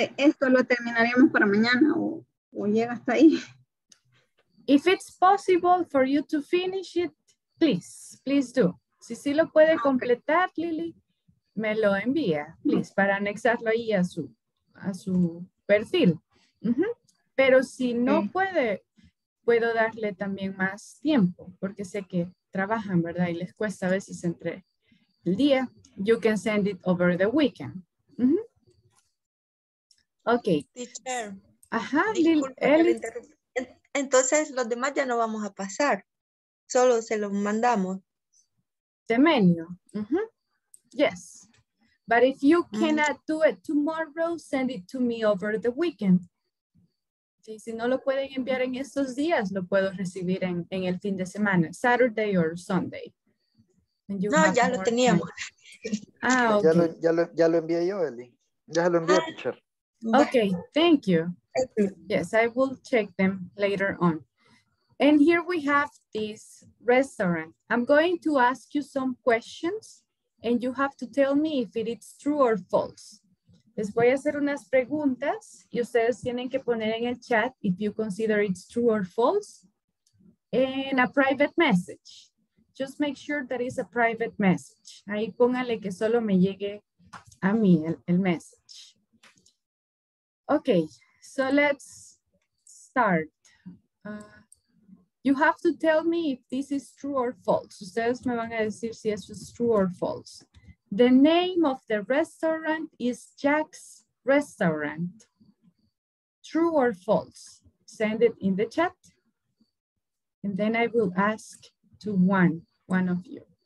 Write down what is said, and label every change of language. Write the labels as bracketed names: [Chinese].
[Spanish] Esto lo terminaremos para mañana o llega hasta ahí. [English] If it's possible for you to finish it, please do. [Spanish] Si sí lo puede completar, Lili, me lo envía, please, para anexarlo ahí a su perfil. Mm-hmm. Pero si no puede, puedo darle también más tiempo, porque sé que trabajan, ¿verdad? Y les cuesta a veces entre el día. [English] You can send it over the weekend. Mm-hmm. Okay. Teacher. [Spanish] Ajá. Entonces, los demás ya no vamos a pasar. Solo se los mandamos. [English] The menu. Mm-hmm. Yes. But if you cannot do it tomorrow, send it to me over the weekend. [Spanish] Y si no lo pueden enviar en estos días, lo puedo recibir en el fin de semana, [English] Saturday or Sunday. [Spanish] No, ya lo teníamos. [English] Ah, okay. [Spanish] Ya lo envié yo, Eli. Ya lo envié, teacher. [English] Okay, thank you. Yes, I will check them later on. And here we have this restaurant. I'm going to ask you some questions and you have to tell me if it is true or false. [Spanish] Les voy a hacer unas preguntas y ustedes tienen que poner en el chat [English] if you consider it's true or false [Spanish] en a private message. [English] Just make sure that it's a private message. [Spanish] Ahí póngale que solo me llegue a mí el message. [English] Okay, so let's start. You have to tell me if this is true or false. [Spanish] Ustedes me van a decir si eso es [English] true or false. The name of the restaurant is Jack's Restaurant. True or false? Send it in the chat. And then I will ask to one of you.